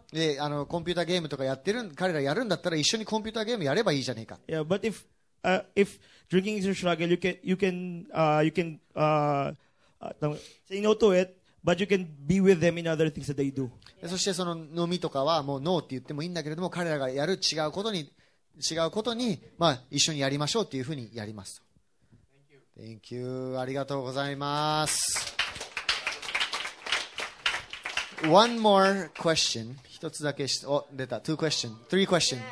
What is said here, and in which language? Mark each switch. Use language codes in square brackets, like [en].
[ja] で、あの、コンピューターゲームとかやってる、彼らやるんだったら一緒にコンピューターゲームやればいいじゃねえか。 [en] Yeah, but if drinking is a struggle, you can say no to it. But you can be with them in other things that they do. [ja] そしてその飲みとかはもうノーって言ってもいいんだけれども彼らがやる違うことにまあ一緒にやりましょうっていうふうにやります。 [en] Thank you. Thank you. [ja] ありがとうございます。 [en] One more question. [ja] 一つだけ、お、出た。 [en] Two question. Three question.